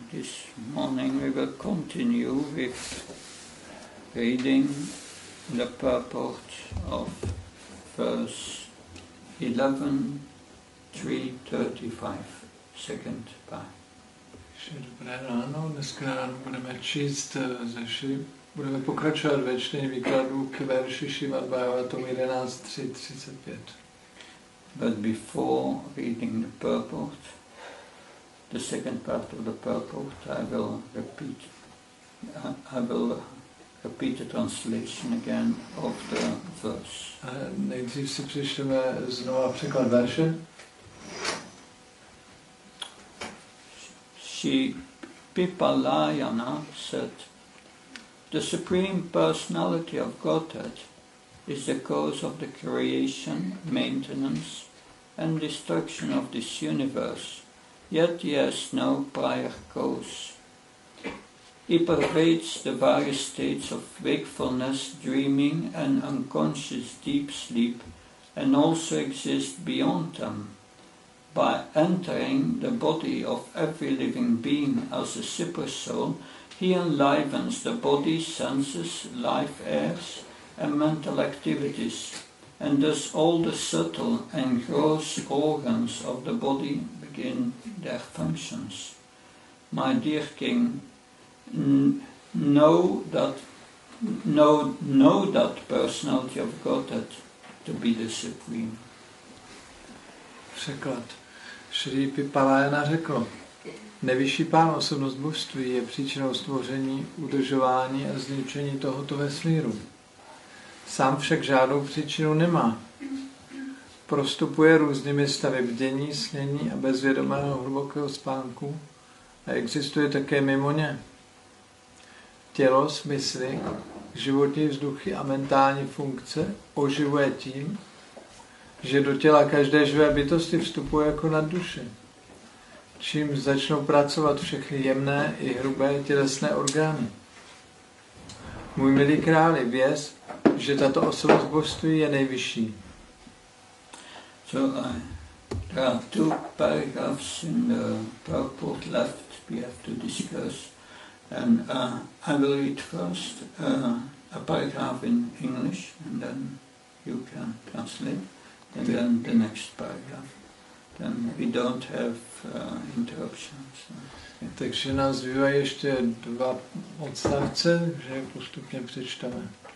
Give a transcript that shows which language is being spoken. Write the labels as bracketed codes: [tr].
[en] This morning we will continue with reading the purport of verse 11, 335, second part. [cs] Ještě dobré ráno. Dneska ráno budeme číst ze budeme pokračovat ve čtení výkladu k verši Šrimad Bhagavatam 11.3.35. [en] But before reading the purport, the second part of the purport, I will repeat the translation again of the verse. [cs] Nejdřív si přečteme znova překlad verše. [en] Sri Pipalayana said, "The Supreme Personality of Godhead is the cause of the creation, maintenance, and destruction of this universe, yet he has no prior cause. He pervades the various states of wakefulness, dreaming, and unconscious deep sleep, and also exists beyond them. By entering the body of every living being as a supersoul, he enlivens the body, senses, life airs, and mental activities, and thus all the subtle and gross organs of the body begin their functions. My dear King, know that personality of Godhead to be the Supreme." [cs] Překlad. Sri Pipalayana řekl, nejvyšší pán osobnost božství je příčinou stvoření, udržování a zničení tohoto vesmíru. Sám však žádnou příčinu nemá. Prostupuje různými stavy bdění, snění a bezvědomého hlubokého spánku a existuje také mimo ně. Tělo, smysly, životní vzduchy a mentální funkce oživuje tím, že do těla každé živé bytosti vstupuje jako na duše, čím začnou pracovat všechny jemné i hrubé tělesné orgány. Můj milý králi, věz, že tato osobnost božství je nejvyšší. [en] So, there are two paragraphs in the purport left we have to discuss. And I will read first a paragraph in English, and then you can translate, and then the next paragraph. Then we don't have interruptions. [cs] Takže nás zbývají ještě dva odstavce, že postupně přečteme.